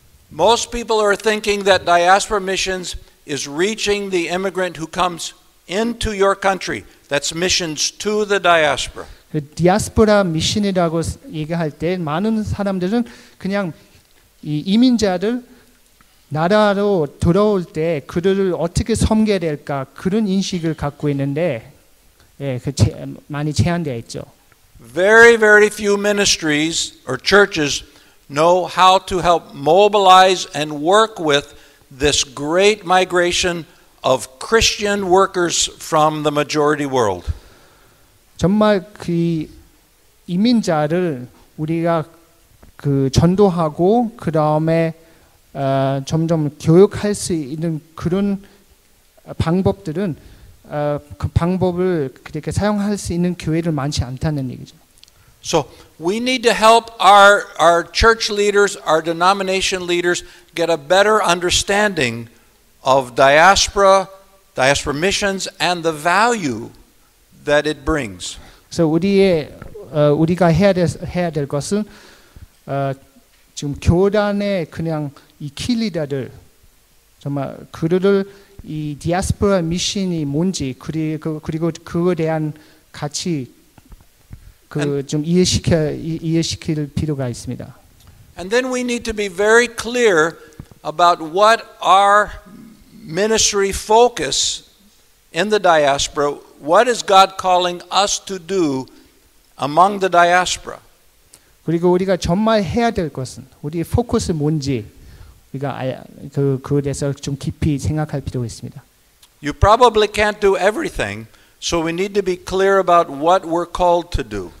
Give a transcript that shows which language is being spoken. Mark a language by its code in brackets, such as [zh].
[en] Most people are thinking that diaspora missions is reaching the immigrant who comes into your country. That's missions to the diaspora. [ko] 디아스포라 미션이라고 얘기할 때 많은 사람들은 그냥 이 이민자들 나라로 돌아올 때 그들을 어떻게 섬겨야 될까 그런 인식을 갖고 있는데 많이 제한되어 있죠. [en] Very, very few ministries or churches know how to help mobilize and work with this great migration of Christian workers from the majority world. [ko] 정말 그 이민자를 우리가 그 전도하고 그 다음에 점점 교육할 수 있는 그런 방법들은 그 방법을 그렇게 사용할 수 있는 교회를 많지 않다는 얘기죠. [en] So we need to help our church leaders, our denomination leaders get a better understanding of diaspora missions and the value that it brings. [ko] So 우리가 해야 될 것은 지금 교단의 그냥 이 키리더들 정말 그들을 이 디아스포라 미션이 뭔지 그리고 그거에 대한 가치 좀 이해시킬 필요가 있습니다. [en] And then we need to be very clear about what our ministry focus in the diaspora. What is God calling us to do among the diaspora? [ko] 그리고 우리가 정말 해야 될 것은 우리의 포커스 뭔지 우리가 그에 대해서 좀 깊이 생각할 필요가 있습니다. [en] You probably can't do everything. So we need to be clear about what we're called to do.